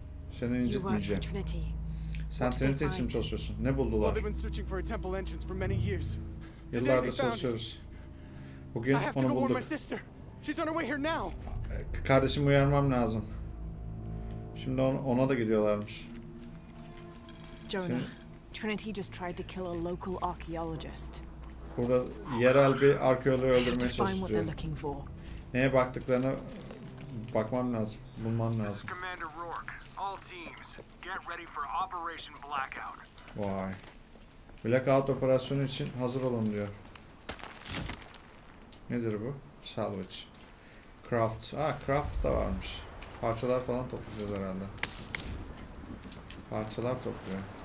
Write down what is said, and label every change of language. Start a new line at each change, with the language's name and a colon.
Turkish: Seni incitmeyeceğim. Sen Trinity için mi çalışıyorsun? Ne buldular? Yıllardır çalışıyoruz. Bugün onu bulduk. Kardeşimi uyarmam lazım. Şimdi ona da gidiyorlarmış.
English: Jonah, Trinity just tried to kill a local archaeologist.
Turkish: Burada yerel bir arkeoloğu öldürmeye çalışıyor. Neye baktıklarına bakmam lazım, bulmam lazım.
English: Commander Rourke, all teams, get ready for Operation Blackout.
Turkish: Vay. Blackout operasyonu için hazır olun diyor. Nedir bu? Salvage. Craft. Aa, craft da varmış. Parçalar falan topluyoruz herhalde. Parçalar topluyor.